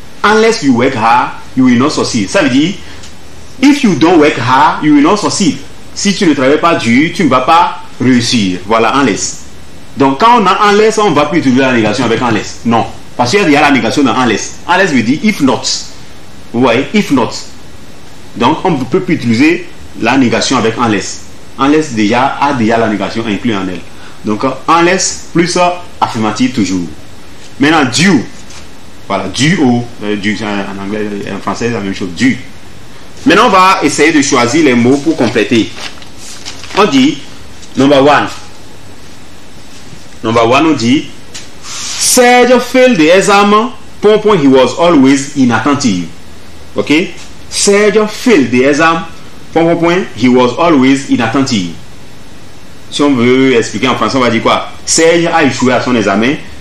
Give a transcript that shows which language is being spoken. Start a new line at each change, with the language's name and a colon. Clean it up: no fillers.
English: Unless you work hard, you will not succeed.
French: Ça veut dire
English: if you don't work hard, you will not succeed.
French: Si tu ne travailles pas dur, tu ne vas pas réussir. Voilà unless. Donc quand on a unless, on ne va plus utiliser la négation avec unless. Non. Parce qu'il y a la négation dans unless. Unless veut dire if not. Vous voyez, if not. Donc, on ne peut plus utiliser la négation avec unless. Unless déjà a déjà la négation inclue en elle. Donc, unless plus affirmative toujours. Maintenant, due. Voilà, due ou. En anglais, en français, la même chose. Due. Maintenant, on va essayer de choisir les mots pour compléter. On dit, number one, on dit.
English: Serge failed the exam, point, he was always inattentive. Ok? Serge failed the exam, point, he was always inattentive.
French: Si on veut expliquer en français, on va dire quoi? Serge a échoué à son examen.